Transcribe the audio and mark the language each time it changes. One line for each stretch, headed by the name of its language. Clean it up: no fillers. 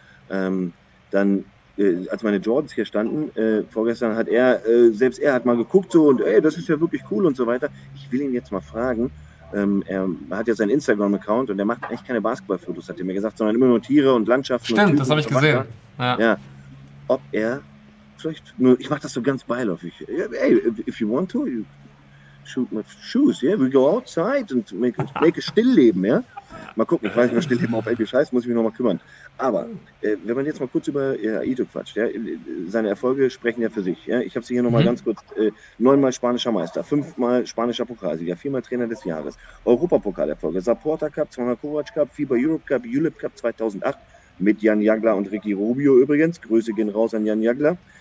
German: Als meine Jordans hier standen, vorgestern hat er, selbst er hat mal geguckt so und ey, das ist ja wirklich cool und so weiter. Ich will ihn jetzt mal fragen. Er hat ja seinen Instagram-Account und er macht eigentlich keine Basketballfotos, hat er mir gesagt, sondern immer nur Tiere und Landschaften. Stimmt, und das habe ich gesehen. Ja. Ob er vielleicht, nur ich mache das so ganz beiläufig.
English: Hey, if you want to, you shoot my shoes, yeah? We go outside and make a Stillleben,
German: ja? Mal gucken, ich weiß nicht, was Stillleben auf Englisch heißt, muss ich mich nochmal kümmern. Aber wenn man jetzt mal kurz über Aito quatscht, ja, seine Erfolge sprechen ja für sich. Ja? Ich habe sie hier nochmal ganz kurz, 9-mal spanischer Meister, 5-mal spanischer Pokalsieger, 4-mal Trainer des Jahres, Europapokalerfolge, Saporta Cup, 2-mal Kovac Cup, FIBA Europe Cup, ULIP Cup 2008, mit Jan Jagler und Ricky Rubio übrigens. Grüße gehen raus an Jan Jagler.